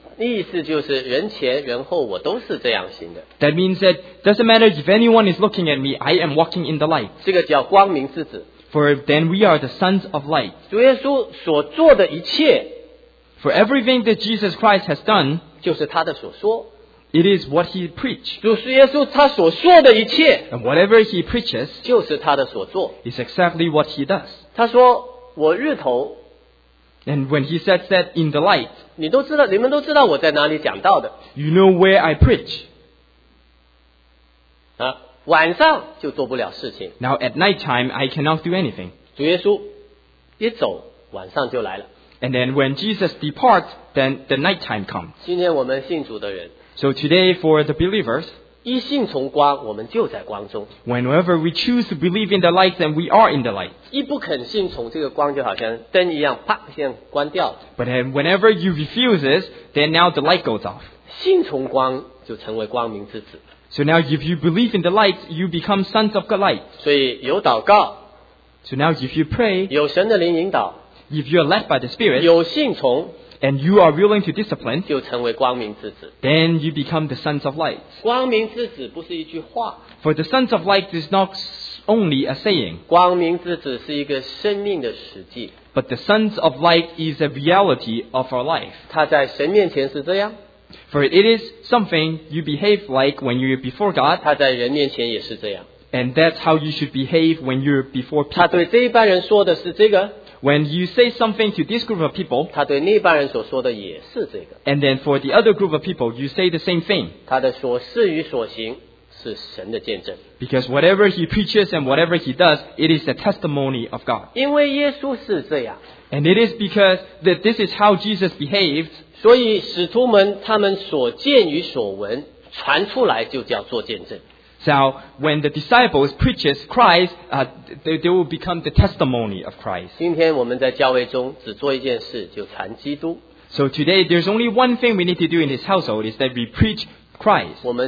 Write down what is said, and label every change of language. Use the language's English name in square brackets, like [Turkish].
[Chinese] 意思就是人前人后我都是这样行的。 [English] That means that doesn't matter if anyone is looking at me, I am walking in the light. [Chinese] 这个叫光明之子。 [English] For then we are the sons of light. [Chinese] 主耶稣所做的一切, [English] For everything that Jesus Christ has done, [Chinese] 就是他的所说, [English] it is what he preached. [Chinese] 主耶稣他所说的一切, [English] and whatever he preaches, [Chinese] 就是他的所做, [English] is exactly what he does. [Chinese] 他说, 我日头, [English] And when he sets that in the light, [Chinese] 你都知道, 你们都知道我在哪里讲道的, [English] you know where I preach. [Chinese] 啊, 晚上就做不了事情, [English] now at night time, I cannot do anything. [Chinese] 主耶稣一走, 晚上就来了, [English] and then when Jesus departs, then the night time comes. [Chinese] 今天我们信主的人, [English] so today for the believers, [Chinese] 一信从光, 我们就在光中, [English] whenever we choose to believe in the light, then we are in the light. [Chinese] 一不肯信从这个光, 就好像灯一样, 啪, 先关掉, [English] but then whenever you refuse this, then now the light goes off. [Chinese] 信从光, [English] so now if you believe in the light, you become sons of the light. [Chinese] 所以有祷告, [English] so now if you pray, [Chinese] 有神的灵引导, [English] if you are led by the Spirit, [Chinese] 有信从, [English] and you are willing to discipline, [Chinese] 就成为光明之子, [English] then you become the sons of light. [Chinese] 光明之子不是一句话, [English] for the sons of light is not only a saying, [Chinese] 光明之子是一个生命的实际, [English] but the sons of light is a reality of our life. [Chinese] 他在神面前是这样, [English] for it is something you behave like when you are before God, [Chinese] 他在人面前也是这样, [English] and that's how you should behave when you are before people. [Chinese] 他对这一般人说的是这个, [English] when you say something to this group of people, [Chinese] 他对那帮人所说的也是这个, [English] and then for the other group of people, you say the same thing. [Chinese] 他的所事与所行是神的见证, [English] because whatever he preaches and whatever he does, it is a testimony of God. [Chinese] 因为耶稣是这样, [English] and it is because that this is how Jesus behaved, [Chinese] 所以使徒们他们所见与所闻传出来就叫做见证, [English] so when the disciples preaches Christ, they will become the testimony of Christ. [Chinese] 今天我们在教会中只做一件事, [English] so today, there's only one thing we need to do in this household, is that we preach Christ.